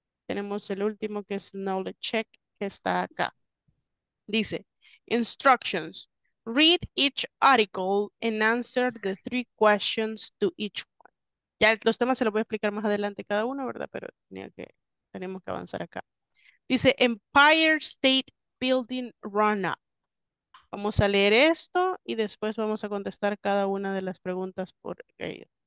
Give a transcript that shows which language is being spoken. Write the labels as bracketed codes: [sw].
[es] Tenemos el último que es knowledge check, que está acá. Dice, instructions. [en] Read each article and answer the three questions to each one. [es] Ya los temas se los voy a explicar más adelante cada uno, ¿verdad? Pero tenemos que avanzar acá. Dice Empire State Building Run Up. Vamos a leer esto y después vamos a contestar cada una de las preguntas por ello.